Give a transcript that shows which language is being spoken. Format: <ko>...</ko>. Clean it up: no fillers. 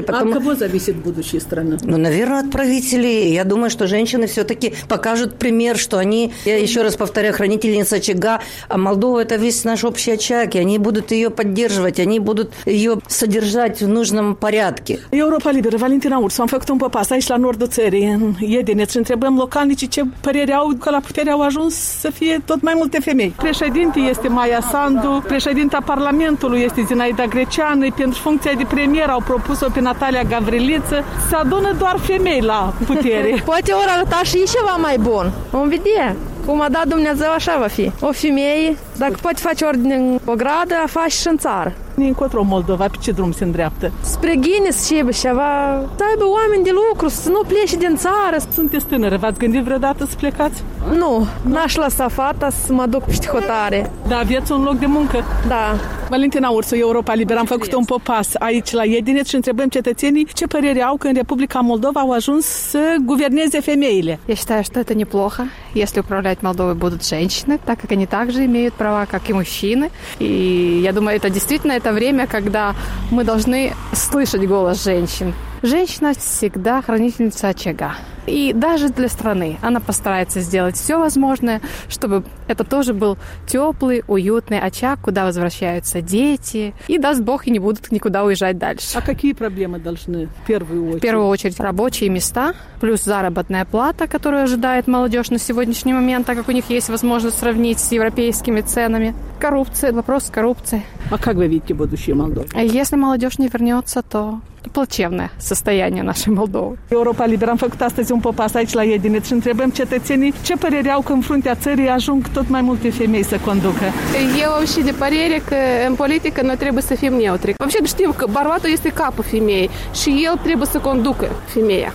<ru>Потому... А от кого зависит будущее страны? Ну, наверное, от правителей. Я думаю, что женщины все-таки покажут пример, что они, я еще раз повторяю, хранительница очага, а Молдова – это весь наш общий очаг, и они будут ее поддерживать, они будут ее содержать в нужном порядке.</ru> <ro>Европа Либера, Валентина Урс, вам фактум попас, айш ла норду цери, единец, întrebăm localnici ce părere au la putere, au ajuns să fie tot mai multe femei. Președinte este Maia Sandu, președinta Parlamentului este Zinaida Greceanu, pentru funcția de premier au propus-o pe Natalia Gavriliță. Se adună doar femei la putere. Poate ori arăta și ceva mai bun. Vom vedea. Cum a dat Dumnezeu, așa va fi. O femeie, dacă poate face ordine în ogradă, a face și în țară. Încotro Moldova, pe ce drum se îndreaptă? Spre Guinness, ceva, ceva. Să aibă oameni de lucru, să nu plece din țară. Sunteți tânără, v-ați gândit vreodată să plecați? Nu, n-aș lăsa fata să mă duc peste hotare. Da, aveți un loc de muncă? Da. Valentina Ursu, Europa Liberă, am făcut un popas aici la Edineț și întrebăm cetățenii ce părere au că în Republica Moldova au ajuns să guverneze femeile.</ro> <ru>Я считаю, что это неплохо, если управлять Молдовой будут женщины, так как они также имеют права, как и мужчины. И я думаю, это действительно это время, когда мы должны слышать голос женщин. Женщина всегда хранительница очага. И даже для страны она постарается сделать все возможное, чтобы это тоже был теплый, уютный очаг, куда возвращаются дети. И даст Бог, и не будут никуда уезжать дальше. А какие проблемы должны в первую очередь? В первую очередь рабочие места, плюс заработная плата, которую ожидает молодежь на сегодняшний момент, так как у них есть возможность сравнить с европейскими ценами. Коррупция, вопрос коррупции. А как вы видите будущее Молдовы? Если молодежь не вернется, то... плачевное состояние нашей Молдовы.</ru> <ro>Европа Либера, făcut astăzi un popas aici la Edineț și întrebăm cetățenii ce părere au că în fruntea țării ajung tot mai multe femei să conducă. Eu am și de părere că în politică noi trebuie să fim neutri.</ro> <ru>Вообще</ru> <ro>știu că bărbatul este capul femeii și el trebuie să conducă femeia.</ro>